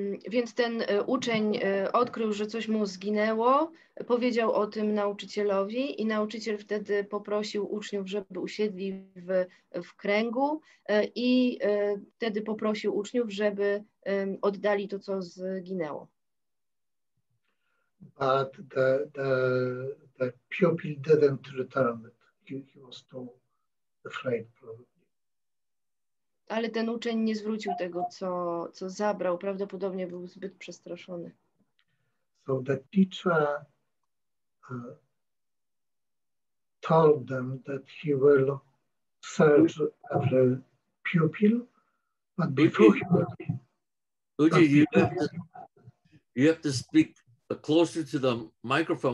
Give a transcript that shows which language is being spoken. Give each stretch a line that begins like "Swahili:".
Polish: Więc ten uczeń odkrył, że coś mu zginęło, powiedział o tym nauczycielowi i nauczyciel wtedy poprosił uczniów, żeby usiedli w kręgu i wtedy poprosił uczniów, żeby oddali to, co zginęło.
English: But the pupil didn't return it. He was too afraid, probably.
Polish: Ale ten uczeń nie zwrócił tego, co zabrał. Prawdopodobnie był zbyt przestraszony.
English: So the teacher told them that he will search every pupil, but before he would... Uji, you have to speak closer to the microphone.